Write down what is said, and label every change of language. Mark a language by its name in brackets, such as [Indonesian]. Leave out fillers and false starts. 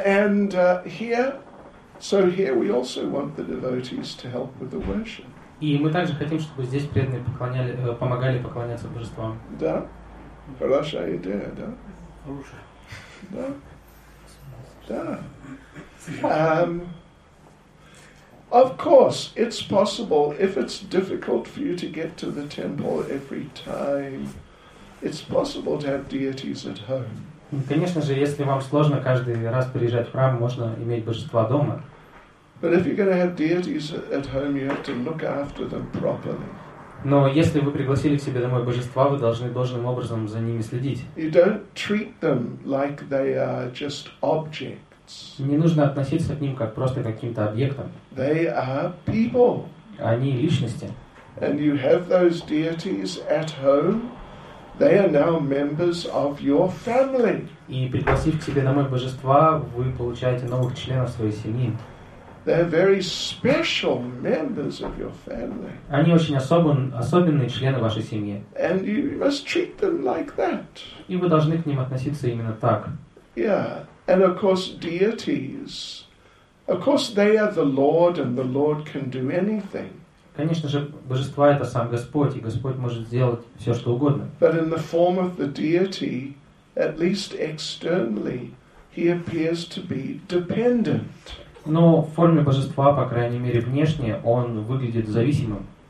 [English] Here we also want the devotees to help with the worship. [Russian] И мы также хотим, чтобы здесь преданные поклоняли, помогали поклоняться божествам. Да? Хорошая идея, да? Хорошая. Да? Да. [English] Of course, it's possible, if it's difficult for you to get to the temple every time, it's possible to have deities at home. [Russian] Конечно же, если вам сложно каждый раз приезжать в храм, можно иметь божества дома. [English] But if you're going to have deities at home, you have to look after them properly. [Russian] Но если вы пригласили к себе домой божества, вы должны должным образом за ними следить. [English] You don't treat them like they are just objects. [Russian] Не нужно относиться к ним как просто каким-то объектом. [English] They are people. [Russian] Они личности. [English] And you have those deities at home, They are now members of your family. [Russian] И пригласив к себе домой божества, вы получаете новых членов своей семьи. [English] They are very special members of your family. [Russian] Они очень особенные члены вашей семьи. [English] And you must treat them like that. [Russian] И вы должны к ним относиться именно так. [English] Yeah, and of course deities. Of course they are the Lord, and the Lord can do anything. [Russian] Конечно же, божества это сам Господь, и Господь может сделать все, что угодно. [English] But in the form of the deity, at least externally, he appears to be dependent. [Russian] Но в форме божества, по крайней мере, внешне, он выглядит зависимым.